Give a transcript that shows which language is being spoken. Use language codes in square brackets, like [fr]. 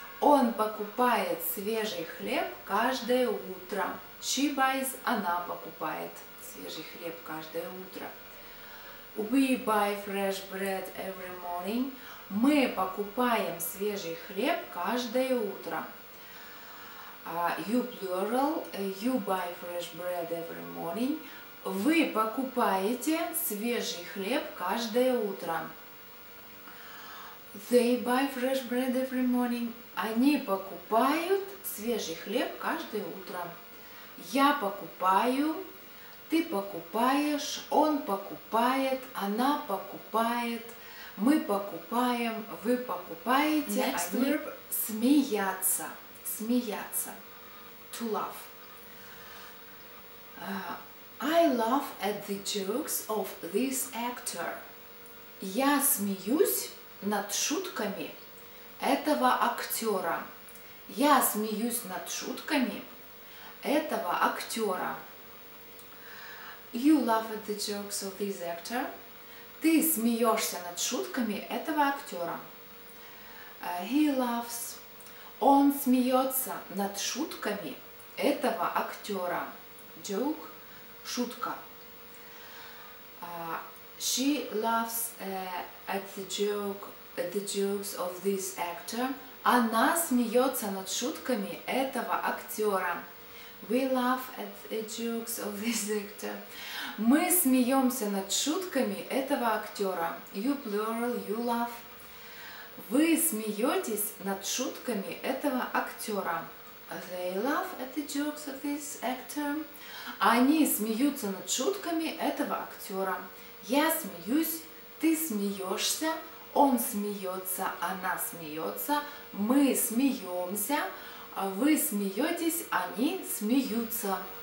[ru] Он покупает свежий хлеб каждое утро. [en] She buys, [ru] она покупает свежий хлеб каждое утро. [en] We buy fresh bread every morning. [ru] Мы покупаем свежий хлеб каждое утро. [en] You plural, you buy fresh bread every morning. [ru] Вы покупаете свежий хлеб каждое утро. [en] They buy fresh bread every morning. [ru] Они покупают свежий хлеб каждое утро. Я покупаю, ты покупаешь, он покупает, она покупает, мы покупаем, вы покупаете. [en] Next verb. [ru] Смеяться. Смеяться. [en] To laugh. I laugh at the jokes of this actor. [ru] Я смеюсь над шутками этого актера. Я смеюсь над шутками этого актера. [en] You laugh at the jokes of this actor. [ru] Ты смеешься над шутками этого актера. [en] He laughs. [ru] Он смеется над шутками этого актера. [en] Joke – шутка. She laughs at the jokes of this actor. [ru] Она смеется над шутками этого актера. [en] We laugh at the jokes of this actor. [ru] Мы смеемся над шутками этого актера. [en] You plural, you laugh. [ru] Вы смеетесь над шутками этого актера. [en] They laugh at the jokes of this actor. [ru] Они смеются над шутками этого актера. Я смеюсь, ты смеешься, он смеется, она смеется, мы смеемся, вы смеетесь, они смеются.